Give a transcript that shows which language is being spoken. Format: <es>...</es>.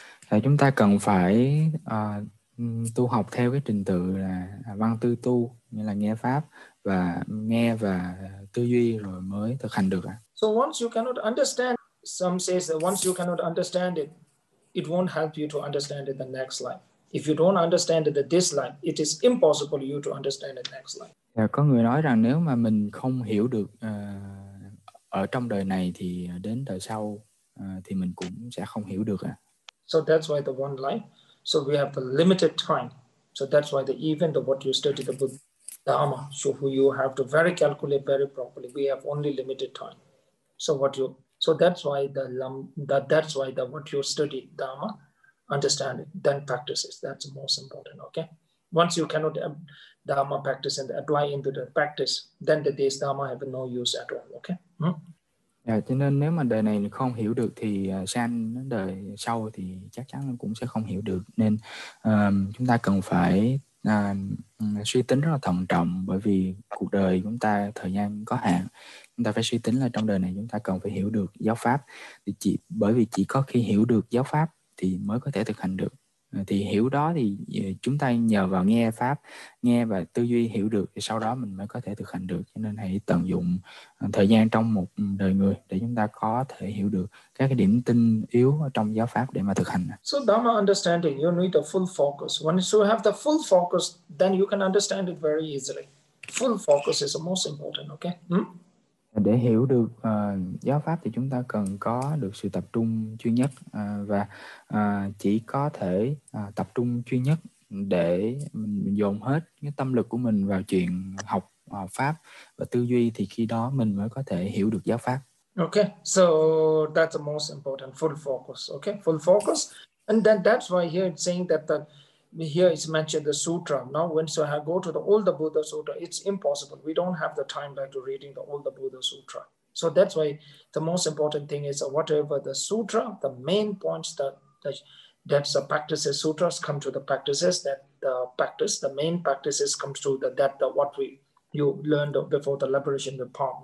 <vi>Là chúng ta cần phải tu học theo cái trình tự là văn tư tu, nghĩa là nghe pháp và nghe và tư duy rồi mới thực hành được.</vi> <en>So once you cannot understand, some says that once you cannot understand it, it won't help you to understand it the next life. If you don't understand it this life, it is impossible you to understand it next life.</en> <vi>Có người nói rằng nếu mà mình không hiểu được ở trong đời này thì đến đời sau thì mình cũng sẽ không hiểu được.</vi> <en>So that's why the one life. So we have a limited time. So that's why the even the what you study the Buddha Dharma. So who you have to very calculate very properly. We have only limited time. So what you. So that's why the what you study Dharma. Understand it, then practice it. That's most important. Okay. Once you cannot Dharma practice and apply into the practice, then the days Dharma have no use at all. Okay. Yeah,</en> <vi>cho nên nếu mà đời này không hiểu được thì sang đời sau thì chắc chắn cũng sẽ không hiểu được. Nên chúng ta cần phải suy tính rất là thận trọng, bởi vì cuộc đời chúng ta thời gian có hạn. Chúng ta phải suy tính là trong đời này chúng ta cần phải hiểu được giáo pháp. Bởi vì chỉ có khi hiểu được giáo pháp thì mới có thể thực hành được. Thì hiểu đó thì chúng ta nhờ vào nghe pháp, nghe và tư duy hiểu được thì sau đó mình mới có thể thực hành được. Cho nên hãy tận dụng thời gian trong một đời người để chúng ta có thể hiểu được các cái điểm tinh yếu trong giáo pháp để mà thực hành.</vi> <en>So Dharma understanding, you need a full focus. Once you have the full focus, then you can understand it very easily. Full focus is the most important, okay?</en> <vi>Để hiểu được giáo pháp thì chúng ta cần có được sự tập trung chuyên nhất, và chỉ có thể tập trung chuyên nhất để mình dồn hết cái tâm lực của mình vào chuyện học pháp và tư duy thì khi đó mình mới có thể hiểu được giáo pháp.</vi> <en>Okay, so that's the most important, full focus. Okay, full focus, and then that's why here it's saying that here it's mentioned the sutra. Now, once I go to the older Buddha Sutra, it's impossible. We don't have the time like to reading the older Buddha Sutra. So that's why the most important thing is whatever the sutra, the main points that the practices, sutras come to the practices, that the practice, the main practices comes to the depth of what you learned before the liberation of the palm.</en>